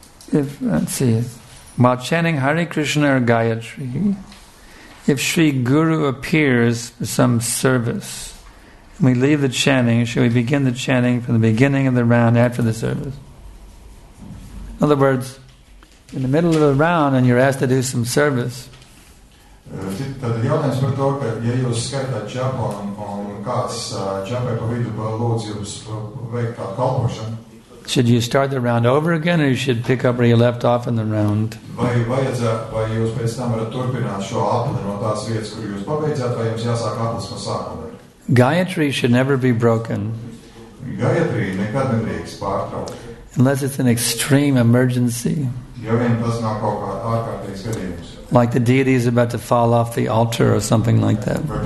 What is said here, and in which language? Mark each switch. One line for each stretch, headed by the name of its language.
English: While chanting Hare Krishna or Gayatri, if Sri Guru appears for some service, we leave the chanting, should we begin the chanting from the beginning of the round after the service? In other words, in the middle of the round and you're asked to do some service,
Latvian: tad jautājums par to, ka, ja jūs skaitāt džapu un kāds džapai pa vidu lūdz jums veikt kādu kalpošanu,
English: should you start the round over again, or you should pick up where you left off in the round?
Latvian: Vai jūs pēc tam varat turpināt šo apli no tās vietas, kur jūs pabeidzāt, vai jums jāsāk aplis no sākuma?
English: Gayatri should never be broken.
Latvian: Gayatri nekad nedrīkst pārtraukt.
English: Unless it's an extreme emergency.
Latvian: Ja vien tas nav kaut kā ārkārtīgs gadījums.
English: Like the deity is about to fall off the altar or something like that.